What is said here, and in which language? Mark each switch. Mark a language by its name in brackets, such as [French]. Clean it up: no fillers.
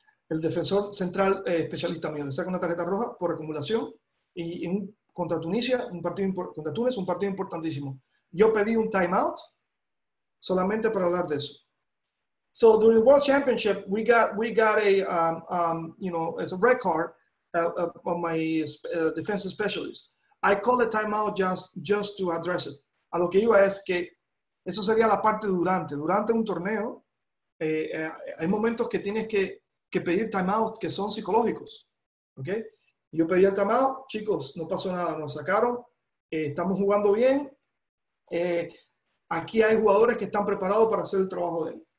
[Spanish] El defensor central especialista mío le saca una tarjeta roja por acumulación y contra Túnez, un partido importantísimo. Yo pedí un timeout solamente para hablar de eso. [English] So during the World Championship, we got a you know, it's a red card on my defensive specialist. I called a timeout just to address it. [Spanish] A lo que iba es que eso sería la parte durante un torneo. Hay momentos que tienes que pedir timeouts que son psicológicos, ¿ok? Yo pedí el timeout, chicos, no pasó nada, nos sacaron, estamos jugando bien, aquí hay jugadores que están preparados para hacer el trabajo de él.